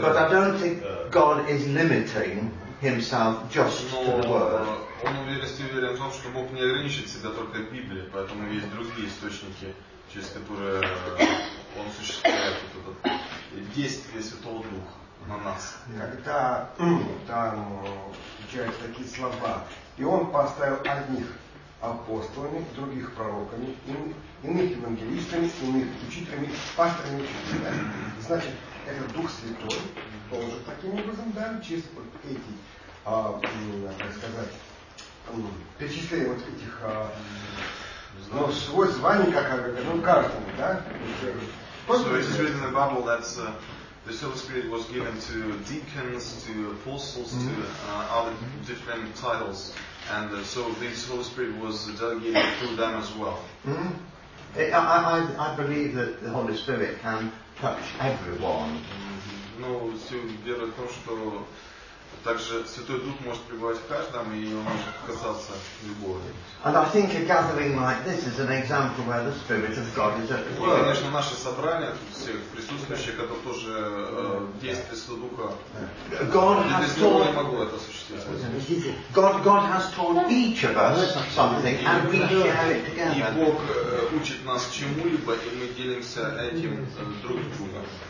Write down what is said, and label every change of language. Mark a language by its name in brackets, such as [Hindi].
[English] But I don't think God is limiting himself just to the Word. [Russian] Он уверенности уверен в том, что Бог не ограничит себя только Библией, поэтому есть другие источники, через которые он осуществляет вот это действие Святого Духа на нас. Когда там звучат такие слова, и он поставил одних апостолами, других пророками, иных евангелистами, иных учителями, пасторами, учителями. Значит, этот Дух Святой тоже таким образом, да, через вот эти, так сказать, перечисление вот этих, ну, свой звание, как ну, каждому, да? [English] So it is written in the Bible that the Holy Spirit was given to deacons, to apostles, to other different titles. And so this Holy Spirit was delegated through them as well. Mm-hmm. I believe that the Holy Spirit can touch everyone. [Russian] Ну, все дело в том, что также Святой Дух может пребывать в каждом, и он может касаться любого. [English] And I think a gathering like this is an example where the Spirit of God is at work. [Russian] Конечно, наше собрание, все присутствующие, это тоже действие Святого Духа. [English] God has told [Russian] не могу это осуществить. [English] God has told each of us something, and we share it together. [Russian] И Бог учит нас чему-либо, и мы делимся этим друг с другом.